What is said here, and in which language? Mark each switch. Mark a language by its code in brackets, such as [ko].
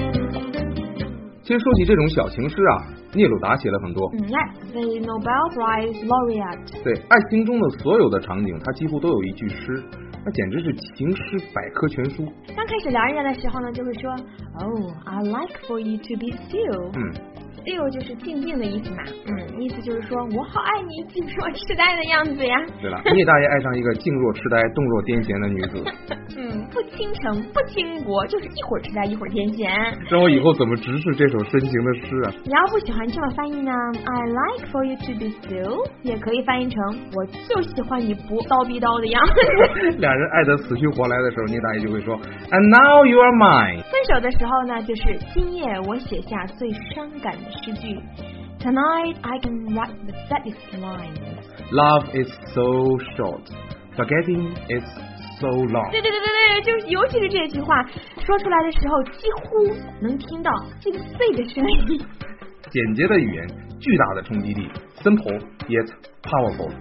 [zh] 其实说起这种小情诗啊，聂鲁达写了很多。 [en] Yes, the Nobel Prize laureate. [zh] 对，爱情中的所有的场景，他几乎都有一句诗，那简直是情诗百科全书。刚开始聊人家的时候呢，就会说 ， [en] Oh, I like for you to be still. 嗯。 [zh] Still 就是静静的意思嘛，嗯，意思就是说我好爱你，静若痴呆的样子呀。对了，聂大爷爱上一个静若痴呆、动若癫痫的女子。嗯，不倾城不倾国，就是一会儿痴呆一会儿癫痫。让我以后怎么直视这首深情的诗啊？你要不喜欢这么翻译呢 ？ [en] I like for you to be still， [zh] 也可以翻译成我就喜欢你不叨逼叨的样子。两人爱得死去活来的时候，聂大爷就会说 ， [en] And now you are mine。 [zh] 分手的时候呢，就是今夜我写下最伤感的。 [en] 诗句 Tonight I can write the saddest lines. Love is so short, forgetting is so long. [zh] 对对对对对，就是尤其是这句话说出来的时候，几乎能听到这个碎的声音。简洁的语言，巨大的冲击力 ， [en] simple yet powerful.